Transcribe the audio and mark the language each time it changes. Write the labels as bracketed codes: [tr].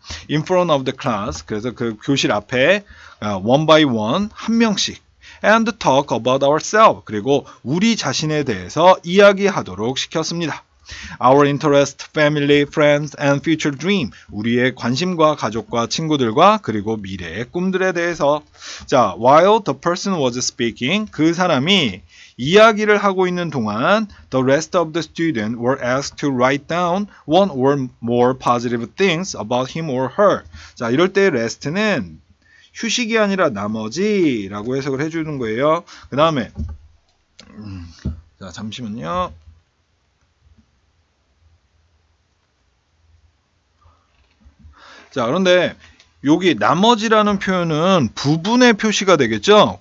[en] In front of the class. [ko] 그래서 그 교실 앞에 [en] one by one [ko] 한 명씩. [en] And talk about ourselves. [ko] 그리고 우리 자신에 대해서 이야기하도록 시켰습니다. [en] Our interest, family, friends, and future dream. [ko] 우리의 관심과 가족과 친구들과 그리고 미래의 꿈들에 대해서. 자, [en] while the person was speaking, [ko] 그 사람이 이야기를 하고 있는 동안 [en] the rest of the students were asked to write down one or more positive things about him or her. [ko] 자, 이럴 때 rest는 휴식이 아니라 나머지라고 해석을 해주는 거예요. 그 다음에 자, 잠시만요. 자, 그런데 여기 나머지라는 표현은 부분의 표시가 되겠죠?